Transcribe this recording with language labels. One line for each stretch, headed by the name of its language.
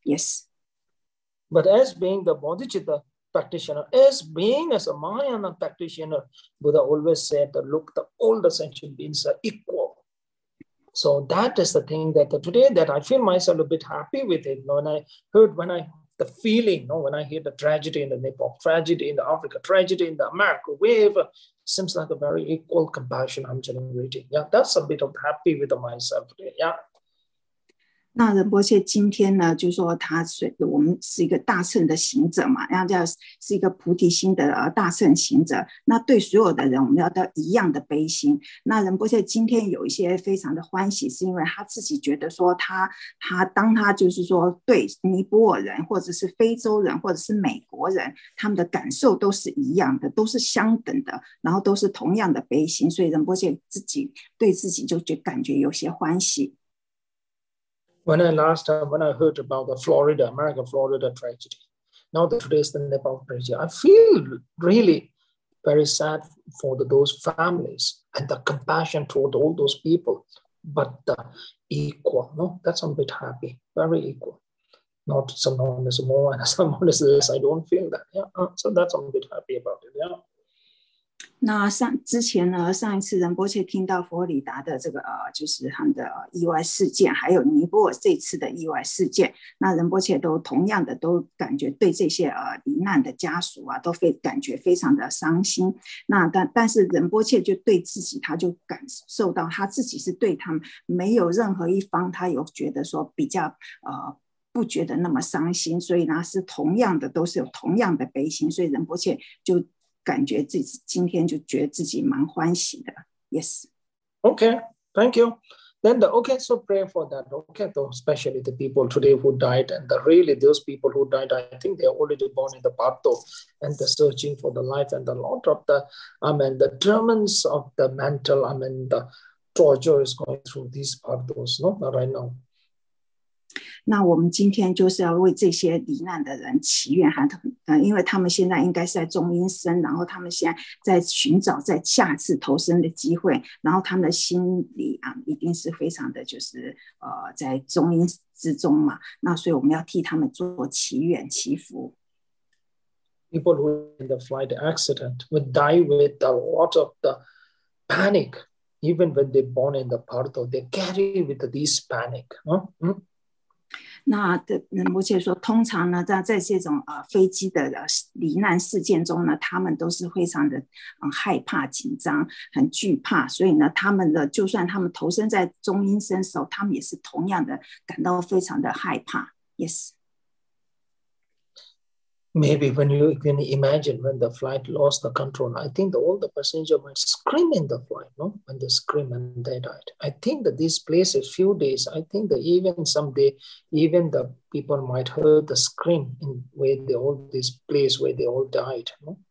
English: Yes. But as being the Bodhicitta practitioner, as being as a Mahayana practitioner, Buddha always said, look, the older sentient beings are equal. So that is the thing that today that I feel myself a bit happy with it. When I the feeling, you know, when I hear the tragedy in the Nepal, tragedy in the Africa, tragedy in the America, wherever, seems like a very equal compassion I'm generating. Yeah, that's a bit of happy with myself. Yeah.
Chinese: 那仁波切今天呢，就说他随我们是一个大乘的行者嘛，然后叫是一个菩提心的大乘行者。那对所有的人，我们要到一样的悲心。那仁波切今天有一些非常的欢喜，是因为他自己觉得说他当他就是说对尼泊尔人，或者是非洲人，或者是美国人，他们的感受都是一样的，都是相等的，然后都是同样的悲心，所以仁波切自己对自己就感觉有些欢喜。
English: When I last time, when I heard about the Florida, America, Florida tragedy, now that today's the Nepal tragedy, I feel really very sad for those families and the compassion toward all those people, but equal, no? That's a bit happy, very equal. Not someone is more and someone is less, I don't feel that, yeah? So that's a bit happy about it, yeah?
Chinese: 那之前呢，上一次仁波切听到佛罗里达的这个就是他们的意外事件，还有尼泊尔这次的意外事件，那仁波切都同样的都感觉对这些罹难的家属啊，都感觉非常的伤心。那但是仁波切就对自己，他就感受到他自己是对他们没有任何一方，他有觉得说比较不觉得那么伤心，所以呢是同样的都是有同样的悲心，所以仁波切就。感觉自己今天就觉得自己蛮欢喜的 ，
English: Yes. Okay, thank you. Then the okay, so pray for that. Okay, though, especially the people today who died, and really those people who died, I think they are already born in the Bardo, and they're searching for the life and a lot of the, the torments of the mental, the torture is going through these Bardos, no, not right now.
Chinese: 那我们今天就是要为这些罹难的人祈愿，因为他们现在应该是在中阴身，然后他们现在在寻找在下次投生的机会，然后他们的心里啊，一定是非常的就是在中阴之中嘛。那所以我们要替他们做祈愿祈福。
English: People who in the flight accident would die with a lot of the panic, even when they're born in the Pardo, they carry with this panic, huh? Hmm?
Chinese: 那仁波切说，通常呢，在这种飞机的罹难事件中呢，他们都是非常的害怕、紧张、很惧怕，所以呢，他们的就算他们投身在中阴身的时候，他们也是同样的感到非常的害怕。
English: Yes. Maybe when you can imagine when the flight lost the control, I think all the passengers might scream in the flight, no? When they scream and they died. I think that these places, few days, I think that even someday, even the people might heard the scream in where they all, this place where they all died, no?